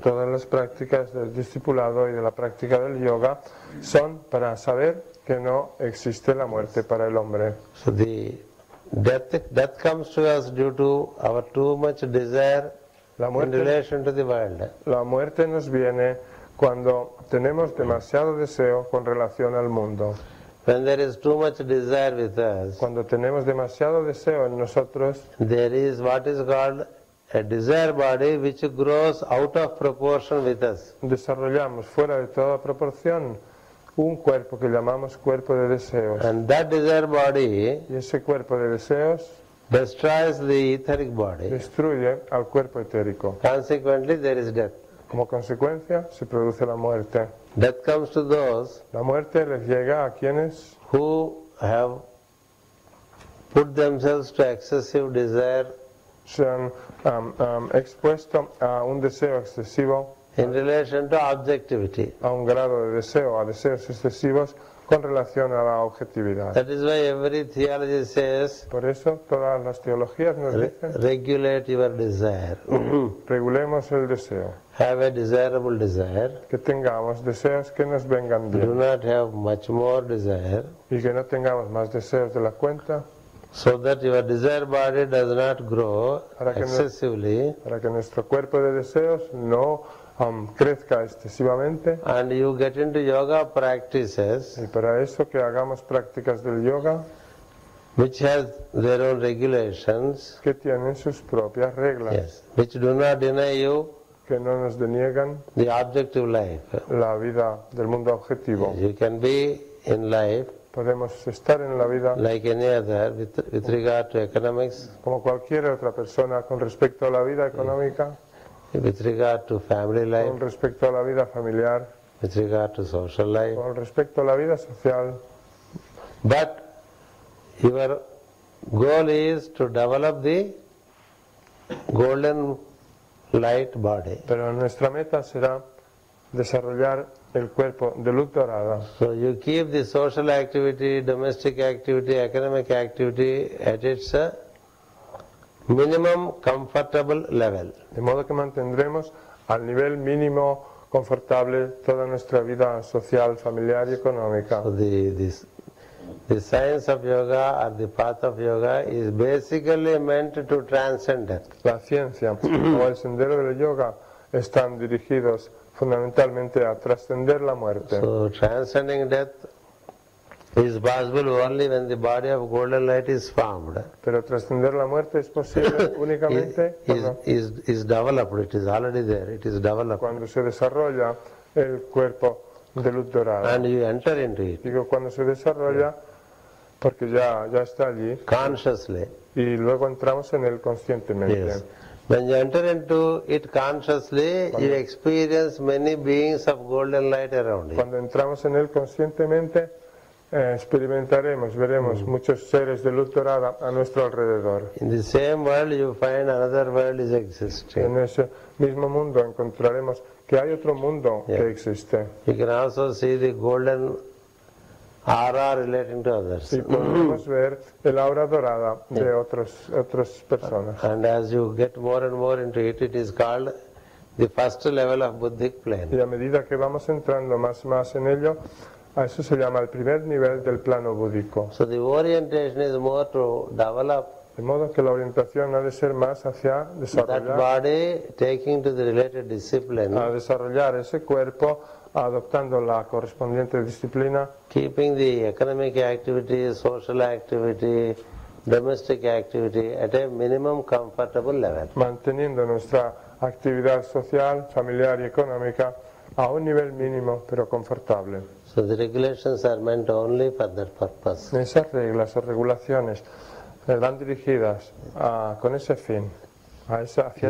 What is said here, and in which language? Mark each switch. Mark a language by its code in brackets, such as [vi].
[es] Todas las prácticas del discipulado y de la práctica del yoga son para saber que no existe la muerte para el hombre. [en] So the death comes to us due to our too much desire in relation to the world. [es] La muerte nos viene cuando tenemos demasiado deseo con relación al mundo. [en] When there is too much desire with us, [es] cuando tenemos demasiado deseo en nosotros, [en] there is what is called a desire body which grows out of proportion with us. [es] Desarrollamos fuera de toda proporción un cuerpo que llamamos cuerpo de deseos. [en] And that desire body, [es] y ese cuerpo de deseos, [en] destroys the etheric body. [es] Destruye al cuerpo etérico. [en] Consequently, there is death. [es] Como consecuencia, se produce la muerte. [en] Death comes to those, [es] la muerte les llega a quienes, [en] who have put themselves to excessive desire, [es] se han expuesto a un deseo excesivo, [en] in relation to objectivity. [es] A un grado de deseo, a deseos excesivos con relación a la objetividad. [en] That is why every theology says, [es] por eso todas las teologías nos dicen, [en] regulate your desire. [es] Regulemos el deseo. [en] Have a desirable desire. [es] Que tengamos deseos que nos vengan bien. [en] Do not have much more desire. [es] Y que no tengamos más deseos de la cuenta. [en] So that your desire body does not grow excessively. [es] Para que nuestro cuerpo de deseos no crezca excesivamente. [en] And you get into yoga practices. [es] Y para eso que hagamos prácticas del yoga. [en] Which has their own regulations. [es] Que tienen sus propias reglas. [en] Yes. Which do not deny you. [es] Que no nos deniegan. [en] The objective life. [es] La vida del mundo objetivo. [en] Yes, you can be in life. [es] Podemos estar en la vida [en] like any other with regard to economics, [es] como cualquier otra persona con respecto a la vida económica, [en] with regard to family life, [es] con respecto a la vida familiar, [en] with regard to social life, [es] con respecto a la vida social. [en] But your goal is to develop the golden light body. [es] Pero nuestra meta será desarrollar el cuerpo de luz dorada. [en] So you keep the social activity, domestic activity, economic activity at its minimum comfortable level. [es] De modo que mantendremos al nivel mínimo confortable toda nuestra vida social, familiar y económica. [en] So the science of yoga or the path of yoga is basically meant to transcend death. [es] La ciencia o el sendero del yoga están dirigidos fundamentalmente a trascender la muerte. [en] So transcending death is possible only when the body of golden light is formed. [es] Pero trascender la muerte es posible únicamente [en] is developed. It is already there. It is developed. [es] Cuando se desarrolla el cuerpo de luz dorada. [en] And you enter into it. [es] Digo cuando se desarrolla, porque ya está allí. [en] Consciously. [es] Y luego entramos en él conscientemente. [en] Yes. When you enter into it consciously, cuando, you experience many beings of golden light around you. [es] Cuando entramos en él conscientemente, experimentaremos, veremos muchos seres de luz dorada a nuestro alrededor. [en] In the same world, you find another world is existing. [es] En ese mismo mundo encontraremos que hay otro mundo que existe. [en] You can also see the golden aura relating to others. [es] Y podemos ver el aura dorada de otras personas. [en] And as you get more and more into it, it is called The first level of buddhic plane. [es] Y a medida que vamos entrando más y más en ello, a eso se llama el primer nivel del plano búdico. [en] So the orientation is more to develop. [es] De modo que la orientación ha de ser más hacia desarrollar. [en] That body taking to the related discipline. [es] A desarrollar ese cuerpo adoptando la correspondiente disciplina. [en] Keeping the economic activity, social activity, domestic activity at a minimum comfortable level. [es] Manteniendo nuestra actividad social, familiar y económica a un nivel mínimo pero confortable. [en] So the regulations are meant only for that purpose. [es] Esas reglas o regulaciones van dirigidas a, con ese fin, a esa, hacia